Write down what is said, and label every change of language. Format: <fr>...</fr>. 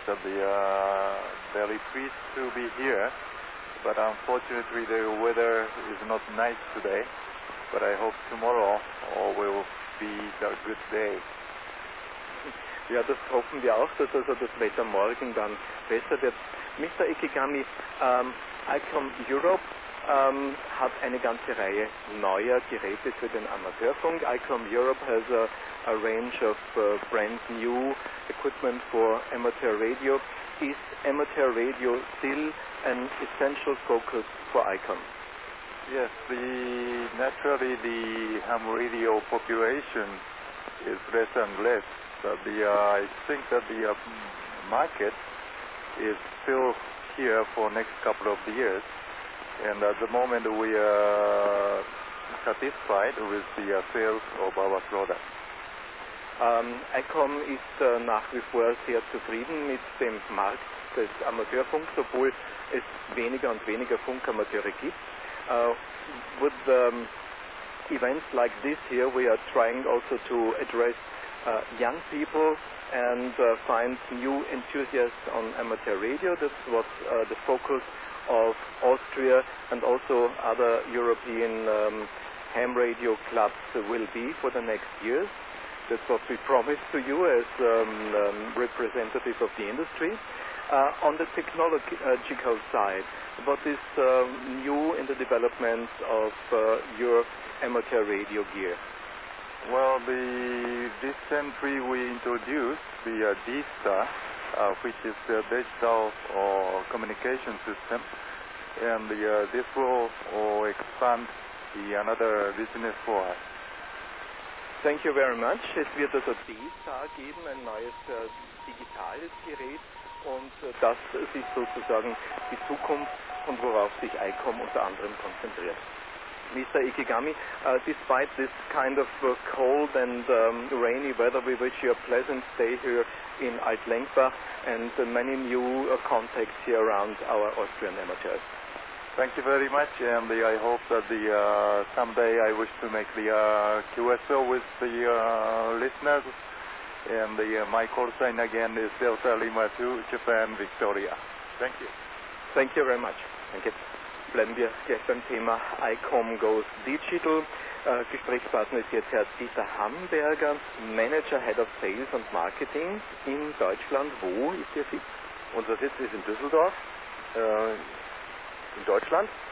<en>I'll be very pleased to be here, but unfortunately the weather is not nice today, but I hope tomorrow will be a good day.</en> <de>Ja, das hoffen wir auch, dass also das Wetter morgen dann besser wird. Mr. Ikegami, ICOM Europe hat eine ganze Reihe neuer Geräte für den Amateurfunk.</de> <en>ICOM Europe has a range of brand new equipment for amateur radio. Is amateur radio still an essential focus for ICOM? Yes, naturally the ham radio population is less and less. I think that the market is still here for next couple of years, and at the moment we are satisfied with the sales of our product.</en> <de>ICOM ist nach wie vor sehr zufrieden mit dem Markt des Amateurfunks, obwohl es weniger und weniger Funkamateure gibt.</de> <en>With events like this here, we are trying also to address young people and find new enthusiasts on amateur radio. That's what the focus of Austria and also other European ham radio clubs will be for the next years. That's what we promise to you as representative of the industry. On the technological side, what is new in the development of your amateur radio gear? Well, this century we introduced the DISA, which is the digital communication system, and this will expand the another business for us. Thank you very much.</en> <de>Es wird also DISA geben, ein neues digitales Gerät, und das ist sozusagen die Zukunft und worauf sich ICOM unter anderem konzentriert.</de> <en>Mr. Ikegami, despite this kind of cold and rainy weather, we wish you a pleasant stay here in Altlenkbach and many new contacts here around our Austrian amateurs. Thank you very much, and I hope that someday I wish to make the QSO with the listeners, and my call sign again is Delta Lima 2, Japan, Victoria. Thank you. Thank you very much. Thank you.</en> <de>Bleiben wir jetzt beim Thema ICOM Goes Digital. Gesprächspartner ist jetzt Herr Dieter Hamberger, Manager,</de> <en>Head of Sales and Marketing</en> <de>in Deutschland. Wo ist Ihr Sitz? Unser Sitz ist in Düsseldorf, in Deutschland.</de>